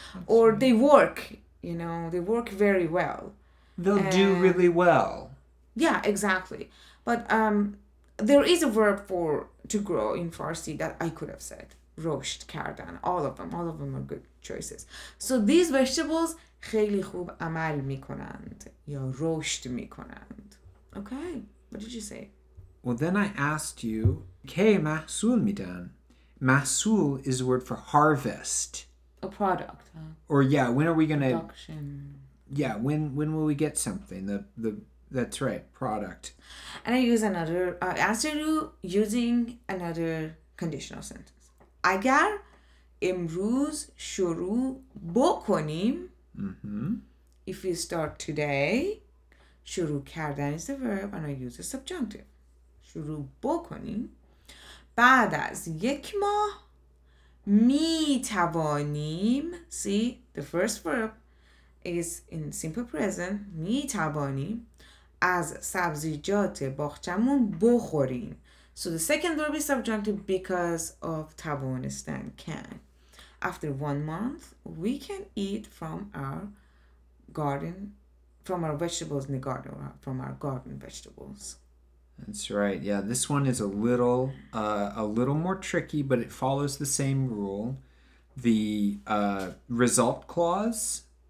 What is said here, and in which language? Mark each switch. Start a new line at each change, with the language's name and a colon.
English: That's or right. They work, you know, they work very well. They'll do really well. Yeah, exactly. But there is a verb for to grow in Farsi that I could have said. Rosht, kardan, all of them are good choices. So these vegetables,
Persian: خیلی خوب عمل میکنند. یا رشد میکنند.
English: Okay, what did you say? Well, then I asked you,
Persian: که محصول میدن.
English: محصول is a word for harvest. A product. Huh? Or yeah, when are we going to... Production... Yeah, when will we get something? The that's right, product. And I use another answer you using another conditional sentence.
Persian: اگر امروز شروع بکنیم,
English: if we start today,
Persian: شروع کردن
English: is the verb and I use the subjunctive.
Persian: شروع بکنیم. بعد از یک ماه می توانیم.
English: See the first verb. Is in simple present,
Persian: می توانیم از سبزیجات باغچمون بخوریم.
English: So the second verb is subjunctive because of توانستن, can. After 1 month, we can eat from our garden, from our vegetables in the garden, or from our garden vegetables. That's right. Yeah, this one is a little more tricky, but it follows the same rule. The result clause